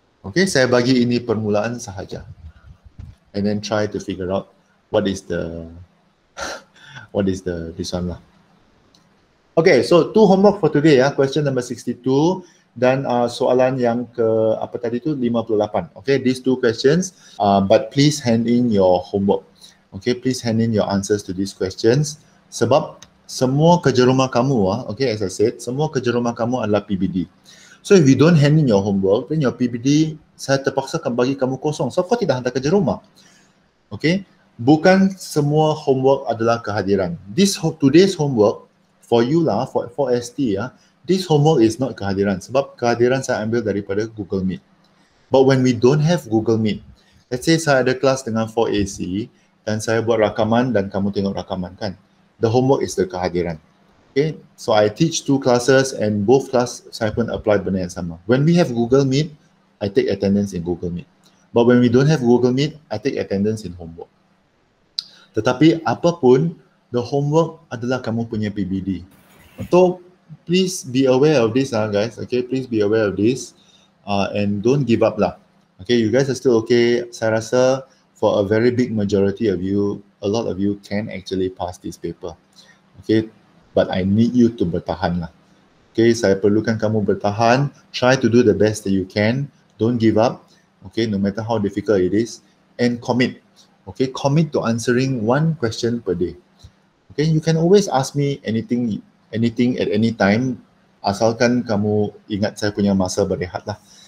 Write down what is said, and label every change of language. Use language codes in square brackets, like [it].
[ms] Okay, saya bagi ini permulaan sahaja. [en] And then try to figure out what is the, what is the, this one lah. Okay, so two homework for today ya. Question number 62 [ms] dan soalan yang ke, apa tadi tu, [en] 58. Okay, these two questions. But please hand in your homework. Okay, please hand in your answers to these questions. [ms] Sebab semua kerja rumah kamu, okay, [en] as I said, [ms] semua kerja rumah kamu adalah PBD. [en] So if you don't hand in your homework, then your PBD, [ms] saya terpaksa akan bagi kamu kosong. So kau tidak hantar kerja rumah. Okay, bukan semua homework adalah kehadiran. [en] This today's homework, for you lah, for ST ya, this homework is not kehadiran. [ms] Sebab kehadiran saya ambil daripada Google Meet. [en] But when we don't have Google Meet, let's say [ms] saya ada kelas dengan 4AC dan saya buat rakaman dan kamu tengok rakaman kan. [en] The homework is the kehadiran. Okay, so I teach two classes and both class [ms] saya pun apply benda yang sama. [en] When we have Google Meet, I take attendance in Google Meet. But when we don't have Google Meet, I take attendance in homework. [ms] Tetapi apapun, [en] the homework [ms] adalah kamu punya PBD. [en] So please be aware of this lah guys. Okay, please be aware of this and don't give up lah. Okay, you guys are still okay. [ms] Saya rasa [en] for a very big majority of you, a lot of you can actually pass this paper. Okay, but I need you to bertahan lah. [ms] Okay, saya perlukan kamu bertahan. [en] Try to do the best that you can. Don't give up. Okay, no matter how difficult it is. And commit. Okay, commit to answering one question per day. Okay, you can always ask me anything at any time. [ms] Asalkan kamu ingat saya punya masa berehat lah.